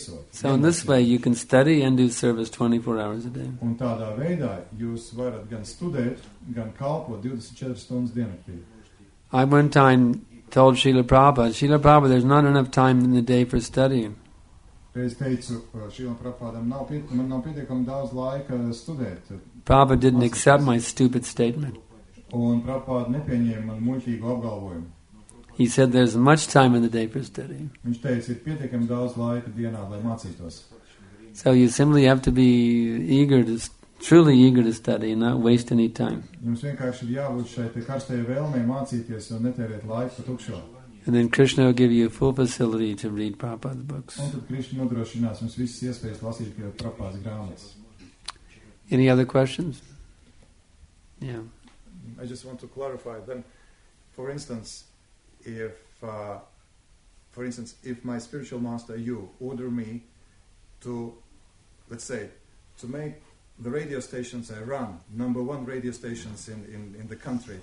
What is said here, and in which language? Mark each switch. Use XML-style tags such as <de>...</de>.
<en>So in this way you can study and do service 24 hours a day.</en> <lv>Un tādā veidā jūs varat gan studēt, gan kalpot 24 stundas dienaktī.</lv> <en>I one time told Srila Prabhupada, there's not enough time in the day for studying.</en> <lv>Es teicu Srila Prabhupada, man nav pietiekami daudz laika studēt.</lv> <en>Prabhupada didn't accept my stupid statement.</en> <lv>Un Prabhupada nepieņēma manu muļķīgu apgalvojumu.</lv> <en>He said there's much time in the day for study.</en> <lv>Viņš teica, ir pietiekami daudz laika dienā, lai mācītos.</lv> <en>So you simply have to be eager to, truly eager to study and not waste any time.</en> <lv>Jums vienkārši ir jābūt šai karstajai vēlmei mācīties un netērēt laiku tukšo.</lv> <en>And then Krishna will give you full facility to read Prabhupada's books. Any other questions? Yeah. I just want to clarify. Then, for instance, if my spiritual master, you, order me to, let's say, to make the radio stations I run, number one radio stations in the country.</en>